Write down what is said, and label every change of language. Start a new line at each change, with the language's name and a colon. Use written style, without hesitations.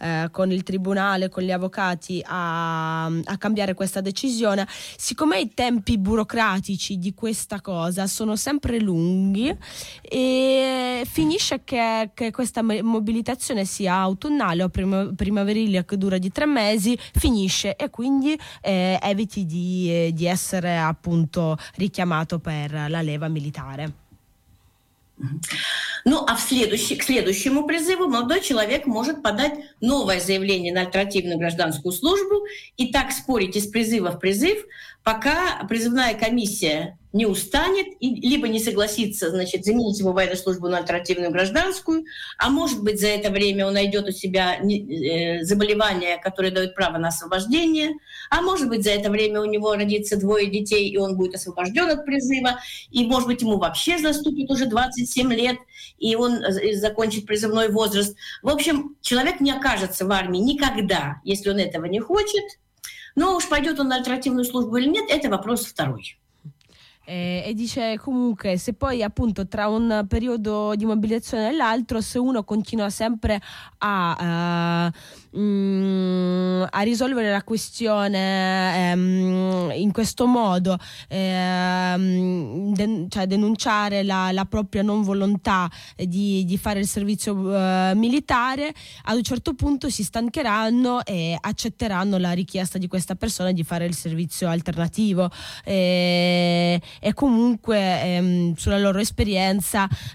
Italian: con il tribunale, con gli avvocati a cambiare questa decisione, siccome i tempi burocratici di questa cosa sono sempre lunghi e finisce che questa mobilitazione sia autunnale o primaverile, che dura di 3 mesi, finisce e quindi eviti di essere appunto richiamato per la leva militare.
Russian: Ну, а к следующему призыву молодой человек может подать новое заявление на альтернативную гражданскую службу и так спорить из призыва в призыв, пока призывная комиссия не устанет, либо не согласится, значит, заменить его военную службу на альтернативную гражданскую, а может быть, за это время он найдет у себя заболевание, которое дает право на освобождение, а может быть, за это время у него родится 2 детей, и он будет освобожден от призыва, и, может быть, ему вообще наступит уже 27 лет, и он закончит призывной возраст. В общем, человек не окажется в армии никогда, если он этого не хочет. Но уж пойдет он на альтернативную службу или нет, это вопрос второй.
Italian: E dice comunque se poi appunto tra un periodo di mobilitazione e l'altro, se uno continua sempre a risolvere la questione in questo modo, denunciare la propria non volontà di fare il servizio militare, ad un certo punto si stancheranno e accetteranno la richiesta di questa persona di fare il servizio alternativo e comunque sulla loro esperienza